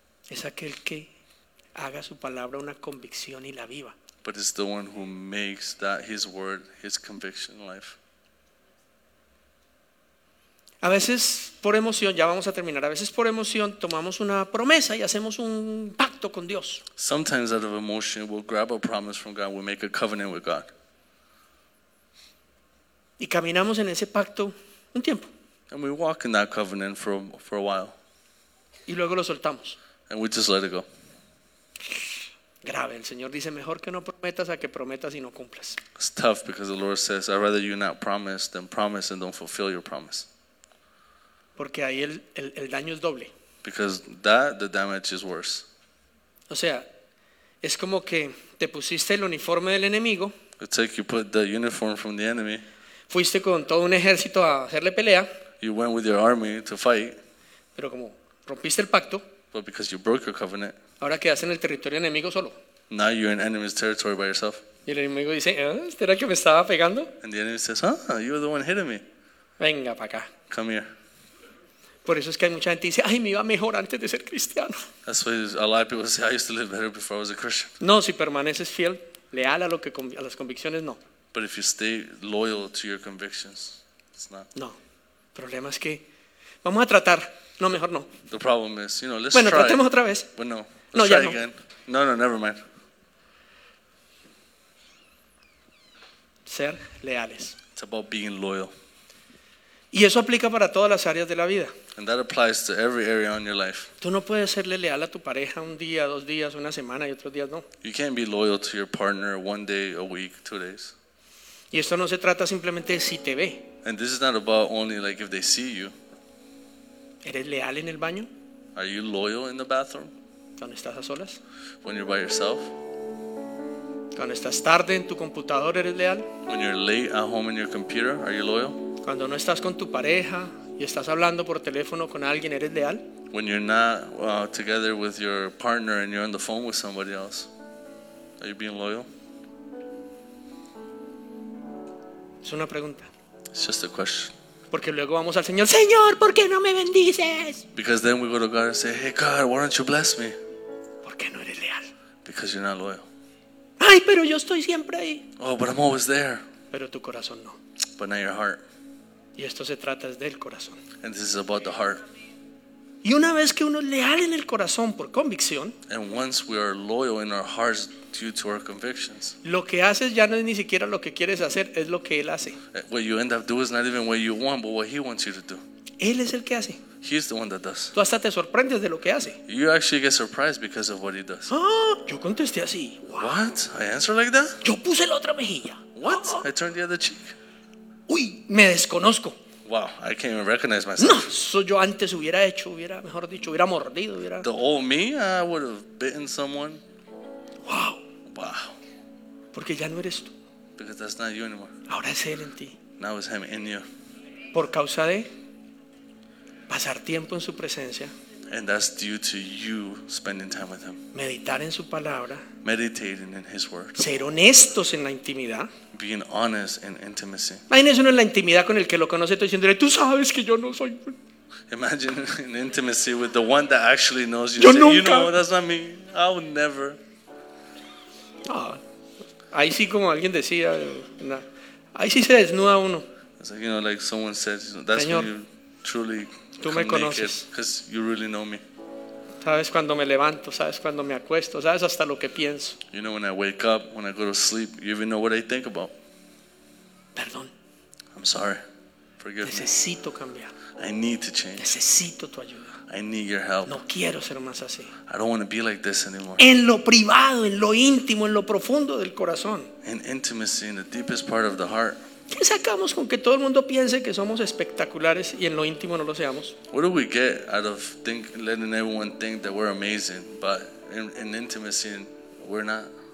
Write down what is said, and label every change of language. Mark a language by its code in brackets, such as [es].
[es] Es aquel que haga su palabra una convicción y la viva. [en] But it's the one who makes that his word his conviction life. [es] A veces por emoción, ya vamos a terminar. A veces por emoción tomamos una promesa y hacemos un pacto con Dios. [en] Sometimes out of emotion we'll grab a promise from God, we'll make a covenant with God. [es] Y caminamos en ese pacto un tiempo. [en] And we walk in that covenant for a while. [es] Y luego lo soltamos. [en] And we just let it go. [es] Grave, el Señor dice mejor que no prometas a que prometas y no cumplas. [en] It's tough because the Lord says I'd rather you not promise than promise and don't fulfill your promise. [es] Porque ahí el daño es doble. [en] Because that, the damage is worse. [es] O sea, es como que te pusiste el uniforme del enemigo. [en] It's like you put the uniform from the enemy. [es] Fuiste con todo un ejército a hacerle pelea. [en] You went with your army to fight. [es] Pero como rompiste el pacto. [en] But because you broke your covenant. [es] Ahora quedas en el territorio enemigo solo. [en] Now you're in enemy's territory by yourself. [es] Y el enemigo dice, ¿este era el que me estaba pegando? [en] And the enemy says, ah, you were the one hitting me. [es] Venga para acá. [en] Come here. [es] Por eso es que hay mucha gente que dice, ay, me iba mejor antes de ser cristiano. [en] That's why a lot of people say, I used to live better before I was a Christian. [es] No, si permaneces fiel, leal a lo que a las convicciones, no. [en] But if you stay loyal to your convictions, it's not. [es] No. El problema es que, vamos a tratar. No, mejor no. [en] The problem is, you know, let's [es] bueno, [en] try. [es] Bueno, tratemos otra vez. [en] But no. [es] No, [en] try [es] ya [en] again. [es] No. [en] No, never mind. [es] Ser leales. [en] It's about being loyal. [es] Y eso aplica para todas las áreas de la vida. [en] And that applies to every area in your life. [es] Tú no puedes serle leal a tu pareja un día, dos días, una semana y otros días no. [en] You can't be loyal to your partner one day, a week, two days. [es] Y esto no se trata simplemente de si te ve. [en] And this is not about only like if they see you. [es] ¿Eres leal en el baño? [en] Are you loyal in the bathroom? [es] ¿Cuando estás a solas? [en] When you're by yourself. [es] ¿Cuando estás tarde en tu computador eres leal? [en] When you're late at home in your computer, are you loyal? [es] ¿Cuando no estás con tu pareja? Y estás hablando por teléfono con alguien, ¿eres leal? [en] When you're not together with your partner and you're on the phone with somebody else, are you being loyal? [es] Es una pregunta. [en] It's just a question. [es] Porque luego vamos al Señor, Señor, ¿por qué no me bendices? [en] Because then we go to God and say, hey God, why don't you bless me? [es] ¿Por qué no eres leal? [en] Because you're not loyal. [es] Ay, pero yo estoy siempre ahí. [en] Oh, but I'm always there. [es] Pero tu corazón no. [en] But not your heart. [es] Y esto se trata del corazón. [en] And this is about the heart. [es] Y una vez que uno es leal en el corazón por convicción, [en] and once we are loyal in our hearts due to our convictions, [es] lo que haces ya no es ni siquiera lo que quieres hacer, es lo que él hace. [en] What you end up doing is not even what you want, but what he wants you to do. [es] Él es el que hace. [en] He's the one that does. [es] Tú hasta te sorprendes de lo que hace. [en] You actually get surprised because of what he does. [es] Oh, yo contesté así. Wow. [en] What? I answer like that? [es] Yo puse la otra mejilla. [en] What? Oh. I turned the other cheek. [es] Uy, me desconozco. [en] Wow, I can't even recognize myself. [es] No, eso yo antes hubiera hecho, hubiera, mejor dicho, hubiera mordido, hubiera. [en] The old me, I would have bitten someone. Wow. Wow. [es] Porque ya no eres tú. [en] Because that's not you anymore. [es] Ahora es él en ti. [en] Now it's him in you. [es] Por causa de pasar tiempo en su presencia. [en] And that's due to you spending time with him. [es] Meditar en su palabra. [en] Meditating in his word. [es] Ser honestos en la intimidad. [en] Being honest in intimacy. [es] Imagínese uno en la intimidad con el que lo conoce, estoy diciendo, tú sabes que yo no soy. [en] Imagine in intimacy with the one that actually knows you. [es] Yo [en] say, [es] nunca. [en] You know, that's not me. I would never. [es] Ah, ahí sí como alguien decía, nah. Ahí sí se desnuda uno. [en] It's like, you know, like someone says, you know, that's [es] Señor, [en] when you truly. [es] Tú me conoces. [en] Because you really know me. [es] Sabes cuando me levanto, sabes cuando me acuesto, sabes hasta lo que pienso. [en] You know when I wake up, when I go to sleep, you even know what I think about. [es] Perdón. [en] I'm sorry. Forgive [es] Necesito [en] me. [es] Necesito cambiar. [en] I need to change. [es] Necesito tu ayuda. [en] I need your help. [es] No quiero ser más así. [en] I don't want to be like this anymore. [es] En lo privado, en lo íntimo, en lo profundo del corazón. [en] In intimacy, in the deepest part of the heart. [es] ¿Qué sacamos con que todo el mundo piense que somos espectaculares y en lo íntimo no lo seamos? [en] What do we get out of letting everyone think that we're amazing, but in intimacy we're not?